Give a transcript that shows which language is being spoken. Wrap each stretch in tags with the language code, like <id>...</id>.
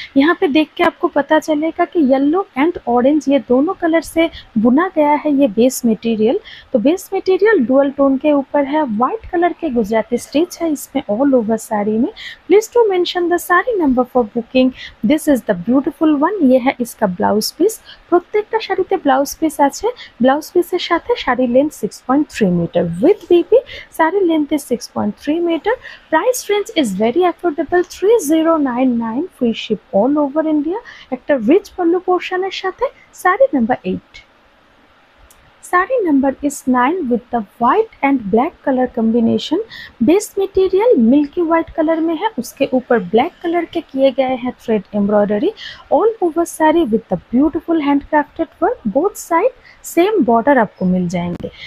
<hi>यहाँ पे देख के आपको पता चलेगा कि येलो एंड ऑरेंज ये दोनों कलर से बुना गया है ये बेस मटेरियल, तो बेस मटेरियल डुअल टोन के ऊपर है, वाइट कलर के गुजराती स्टिच है इसमें ऑल ओवर साड़ी में।</hi> <en>please to mention the sari number for booking, this is the beautiful one,</en> <hi>ये है इसका ब्लाउज पीस।</hi> <bn>প্রত্যেকটা শাড়িতে ব্লাউজ পিস আছে, ব্লাউজ পিসের সাথে শাড়ির লেন্থ 6.3 মিটার, উইথ বিপি শাড়ির length is 6.3 metre, price range is very affordable 3099, free sheep all over India, একটা রিচ পল্লু পোর্শনের সাথে sari number 8।</bn> <en>Sari number is 9 with the white and black colour combination, base material milky white colour में है, उसके ऊपर black colour के किए गए हैं thread embroidery, all over sari with the beautiful handcrafted work, both side same border आपको मिल जाएंगे।</en>